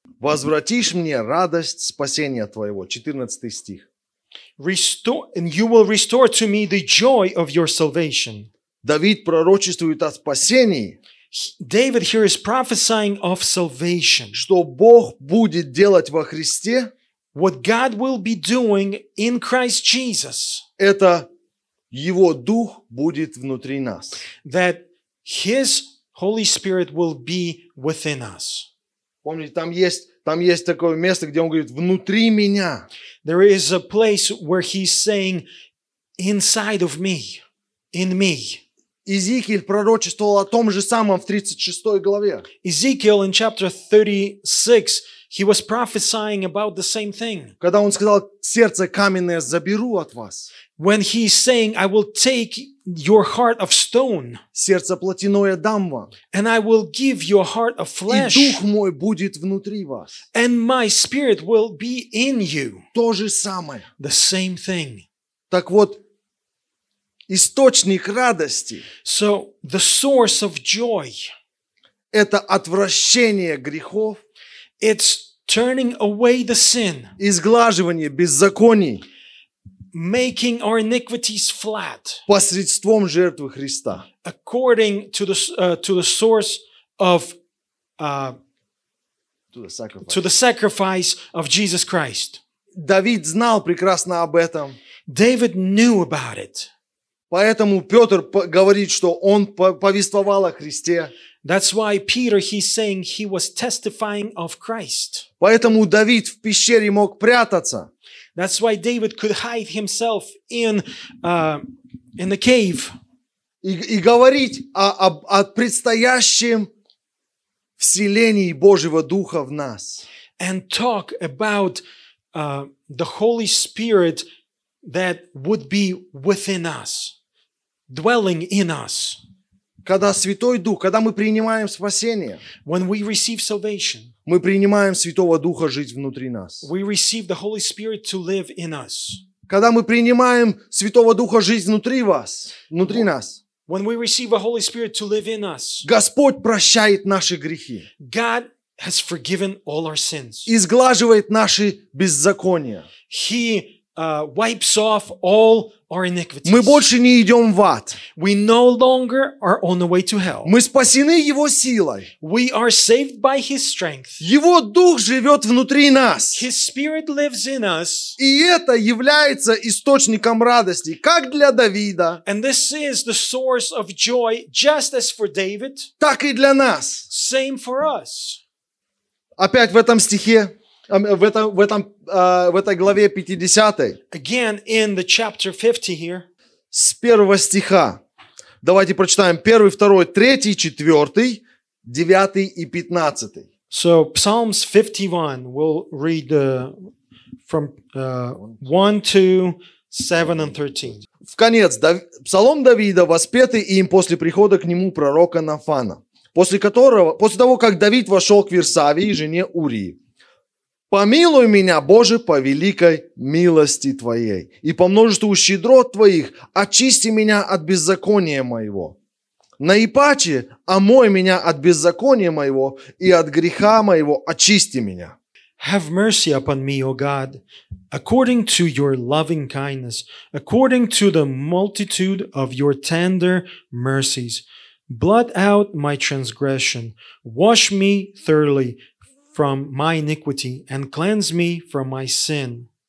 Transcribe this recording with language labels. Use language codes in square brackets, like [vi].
[ru] Возвратишь мне радость спасения твоего. 14 стих. [en] Restore, and you will restore to me the joy of your salvation. [ru] Давид пророчествует о спасении. [en] David here is prophesying of salvation. [ru] Что Бог будет делать во Христе? [en] What God will be doing in Christ Jesus. [ru] Это Его Дух будет внутри нас. [en] That His Holy Spirit will be within us. [ru] Помните, там есть такое место, где Он говорит, внутри меня. [en] There is a place where He's saying, inside of me, in me. [ru] Иезекииль пророчествовал о том же самом в 36 главе. [en] Ezekiel in chapter 36, he was prophesying about the same thing. [ru] Когда он сказал, сердце каменное заберу от вас. [en] When he's saying, I will take your heart of stone. [ru] Сердце плотяное дам вам. [en] And I will give you a heart of flesh. [ru] И дух мой будет внутри вас. [en] And my spirit will be in you. [ru] То же самое. [en] The same thing. [ru] Так вот, источник радости. [en] So, the source of joy. [ru] Это отвращение грехов. [en] It's turning away the sin. [ru] Изглаживание беззаконий. [en] Making our iniquities flat. [ru] Посредством жертвы Христа. [en] According to the source of to the sacrifice of Jesus Christ. [ru] Давид знал прекрасно об этом. [en] David knew about it. [ru] Поэтому Петр говорит, что он повествовал о Христе. [en] That's why Peter, he's saying he was testifying of Christ. [ru] Поэтому Давид в пещере мог прятаться. [en] That's why David could hide himself in the cave. [ru] И говорить о предстоящем вселении Божьего Духа в нас. [en] And talk about the Holy Spirit that would be within us. Dwelling in us. [ru] Когда Святой Дух, когда мы принимаем спасение, [en] when we receive salvation, [ru] мы принимаем Святого Духа жить внутри нас. [en] We receive the Holy Spirit to live in us. [ru] Когда мы принимаем Святого Духа жить внутри вас, внутри нас, [en] when we receive the Holy Spirit to live in us, [ru] Господь прощает наши грехи. [en] God has forgiven all our sins. [ru] Изглаживает наши беззакония. [en] He wipes off all our iniquities. [ru] Мы больше не идем в ад. [en] We no longer are on the way to hell. [ru] Мы спасены Его силой. [en] We are saved by His strength. [ru] Его Дух живет внутри нас. [en] His Spirit lives in us. [ru] И это является источником радости, как для Давида. [en] And this is the source of joy, just as for David. [ru] Так и для нас. [en] Same for us. [ru] Опять в этом стихе. В этой главе 50. [en] Again, in the chapter 50 here. [ru] С первого стиха. Давайте прочитаем. Первый, второй, третий, четвертый, девятый и пятнадцатый. [en] So, Psalms 51. We'll read from 1 to 7 and 13. [ru] В конец. Псалом Давида, воспетый им после прихода к нему пророка Нафана. После того, как Давид вошел к Вирсавии, жене Урии. «Помилуй меня, Боже, по великой милости Твоей, и по множеству щедрот Твоих очисти меня от беззакония моего. Наипаче омой меня от беззакония моего и от греха моего очисти меня». [en] Have mercy upon me, O God, according to your loving kindness, according to the multitude of your tender mercies. Blot out my transgression, wash me thoroughly, from my iniquity and cleanse me from my sin.